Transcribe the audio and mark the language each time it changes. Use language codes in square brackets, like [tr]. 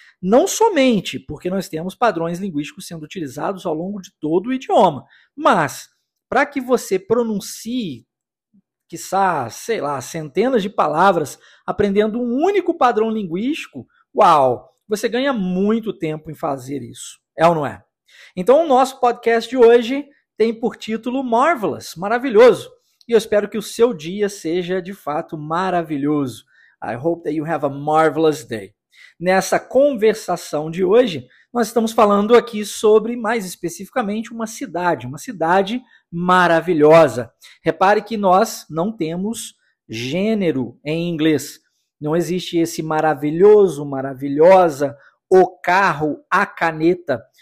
[pt] Não somente porque nós temos padrões linguísticos sendo utilizados ao longo de todo o idioma, mas para que você pronuncie, quiçá, sei lá, centenas de palavras, aprendendo um único padrão linguístico, uau, você ganha muito tempo em fazer isso. É ou não é? Então, o nosso podcast de hoje tem por título Marvelous, maravilhoso. E eu espero que o seu dia seja, de fato, maravilhoso. [en] I hope that you have a marvelous day. [pt] Nessa conversação de hoje, nós estamos falando aqui sobre, mais especificamente, uma cidade maravilhosa. Repare que nós não temos gênero em inglês. Não existe esse maravilhoso, maravilhosa, o carro, a caneta.